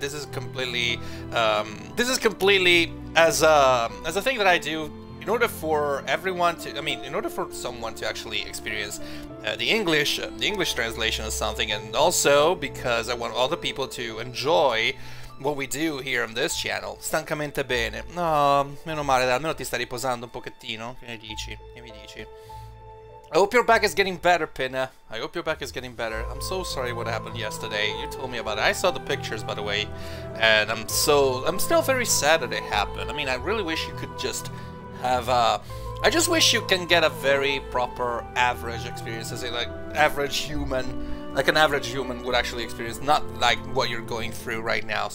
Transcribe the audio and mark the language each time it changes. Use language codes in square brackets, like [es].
[en] This is completely as a thing that I do in order for everyone to. I mean, in order for someone to actually experience the English translation of something, and also because I want other people to enjoy what we do here on this channel. [it] Stancamente bene. No, meno male, almeno ti stai riposando un pochettino. Che ne dici? Che mi dici? [en] I hope your back is getting better, Pinna. I hope your back is getting better. I'm so sorry what happened yesterday. You told me about it. I saw the pictures, by the way. And I'm still very sad that it happened. I mean, I really wish you could just have a... I just wish you can get a very proper average experience, as a like average human, like an average human would actually experience, not like what you're going through right now.